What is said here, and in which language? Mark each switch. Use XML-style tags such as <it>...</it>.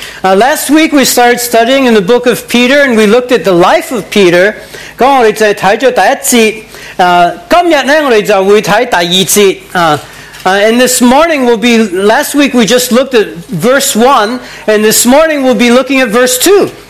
<en>Last week we started studying in the book of Peter and we looked at the life of Peter。</en> <yue>咁我哋就睇咗第一节。今日咧我哋就会睇第二节。</yue> <en>And this morning we'll be. Last week we just looked at verse 1 and this morning we'll be looking at verse 2。</en>